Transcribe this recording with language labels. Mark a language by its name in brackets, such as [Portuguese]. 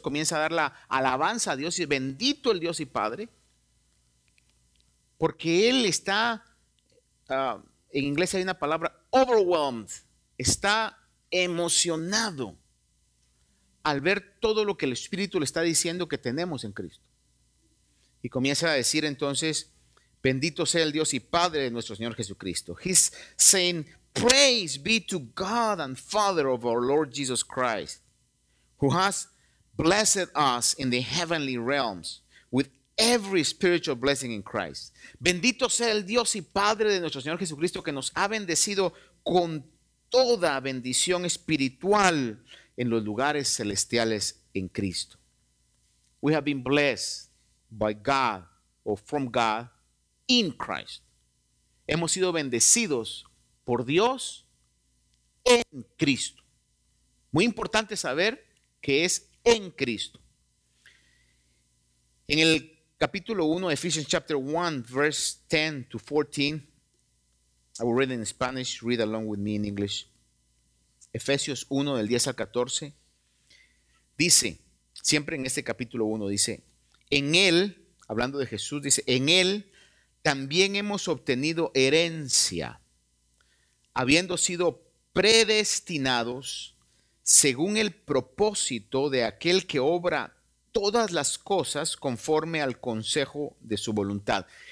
[Spanish] Comienza a dar la alabanza a Dios, y bendito el Dios y Padre, porque él está, en inglés hay una palabra, overwhelmed, está emocionado al ver todo lo que el Espíritu le está diciendo que tenemos en Cristo. Y comienza a decir entonces: bendito sea el Dios y Padre de nuestro Señor Jesucristo. [English] He's saying, praise be to God and Father of our Lord Jesus Christ, who has blessed us in the heavenly realms with every spiritual blessing in Christ. [Spanish] Bendito sea el Dios y Padre de nuestro Señor Jesucristo, que nos ha bendecido con toda bendición espiritual en los lugares celestiales en Cristo. [English] We have been blessed by God, or from God, in Christ. [Spanish] Hemos sido bendecidos por Dios en Cristo. Muy importante saber que es en Cristo. En el capítulo 1, [English] Ephesians chapter 1, verse 10 to 14, I will read in Spanish, read along with me in English. [Spanish] Efesios 1, del 10 al 14, dice, siempre en este capítulo 1, dice, en Él, hablando de Jesús, dice, en Él también hemos obtenido herencia, habiendo sido predestinados según el propósito de aquel que obra todas las cosas conforme al consejo de su voluntad.